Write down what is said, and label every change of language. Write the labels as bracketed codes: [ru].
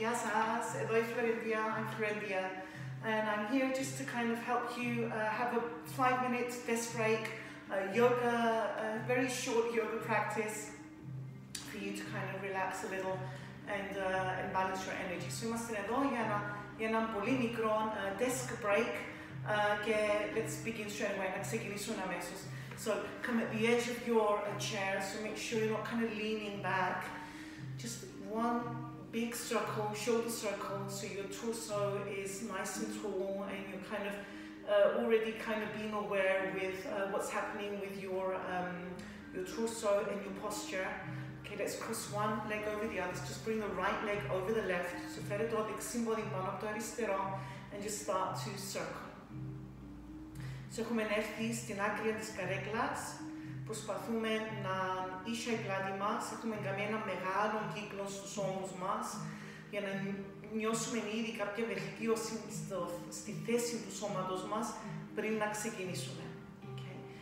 [en] Yes, as Eloy Florendia, I'm Florendia, and I'm here just to kind of help you have a 5-minute desk break, a very short yoga practice for you to kind of relax a little and balance your energy. [el] So, είμαστε εδώ για έναν πολύ μικρό desk break. Και [en] let's begin straight away. [el] Να ξεκινήσουμε αμέσως. [en] So, come at the edge of your chair, so make sure you're not kind of leaning back. Just one big circle, shoulder circle, so your torso is nice and tall and you're kind of already kind of being aware with what's happening with your torso and your posture. Okay, let's cross one leg over the other. So just bring the right leg over the left. [el] So φέρε το δεξί body πάνω από το αριστερό [en] and just start to circle. [el] So έχουμε έρθει στην άκρη της καρέκλας. Προσπαθούμε να είσαι η πλάτη μας, έχουμε κάνει ένα μεγάλο κύκλο στους ώμους μας για να νιώσουμε ήδη κάποια βελτίωση στη θέση του σώματος μας πριν να ξεκινήσουμε. [en] Okay.